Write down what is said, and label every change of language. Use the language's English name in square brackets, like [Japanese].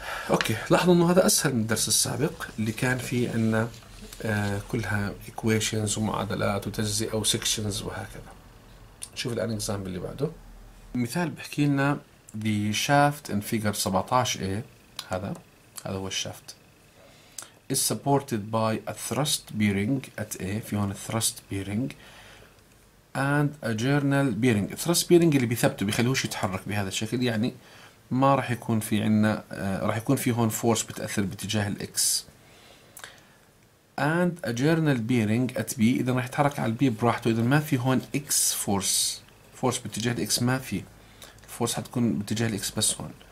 [Arabic] اوكي لاحظوا انه هذا اسهل من الدرس السابق اللي كان فيه عندنا كلها equations ومعادلات وتجزئة أو sections وهكذا. نشوف الآن example اللي بعده. المثال بحكي لنا [English] the shaft in figure 17A، [Arabic] هذا هو الشافت. [English] is supported by a thrust bearing at A، [Arabic] في هون [English] thrust bearing and a journal bearing. [Arabic] thrust bearing اللي بيثبته بيخلوهش يتحرك بهذا الشكل، يعني ما راح يكون في عنا راح يكون في هون force بتأثر باتجاه X. [English] and a journal bearing at B، [Arabic] اذا راح يتحرك على البي براحته، اذا ما في هون X force باتجاه X، ما في force حتكون باتجاه X بس هون.